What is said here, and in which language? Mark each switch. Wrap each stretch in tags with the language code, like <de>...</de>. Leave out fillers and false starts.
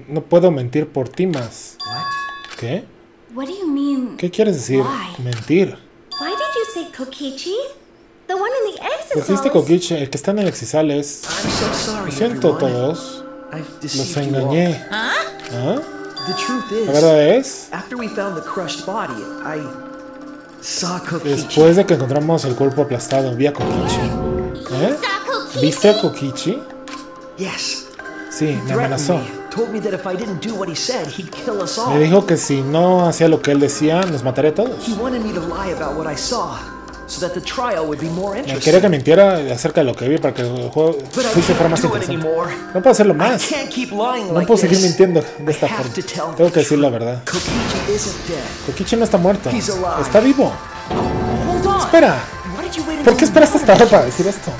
<es>No puedo mentir por ti más. ¿Qué?</es> <en>What do you mean?</en> <es>¿Qué quieres decir? Mentir.</es> <en>Why did you say Kokichi? The one in the exosol.</en> <es>Dijiste Kokichi, el que está en el exosol es.</es> <en>I'm so sorry,</en> <es>lo siento, todos. Los engañé. ¿Ah? ¿Ah?</es> <en>The truth is,</en> <es>¿la verdad es?</es> <en>After we found the crushed body, I saw Kokichi.</en> <es>Después de que encontramos el cuerpo aplastado, vi a Kokichi. ¿Eh? ¿Viste a Kokichi?</es> <en>Yes.</en> <es>Sí, me amenazó.</es> <en>Told me that if I didn't do what he said, he'd kill us all.</en> <es>Me dijo que si no hacía lo que él decía, nos mataría a todos.</es> <en>He wanted me to lie about what I saw, so that the trial would be more interesting.</en> <es>Me quería que mintiera acerca de lo que vi para que el juego fuese más interesante. No puedo hacerlo más.</es> <en>I can't keep lying</en> <es>no</es> <en>like</en> <es>puedo</es> <en>this.</en> <es>Seguir mintiendo de esta forma. Tengo que decir la verdad.</es> <en>Kokichi, isn't dead.</en> <es>Kokichi no está muerto.</es> <en>He's alive.</en> <es>Está vivo.</es> <en>Hold on.</en> <es>Espera.</es> <en>Why did you wait?</en> <es>¿Por qué esperaste hasta ahora para decir esto?</es>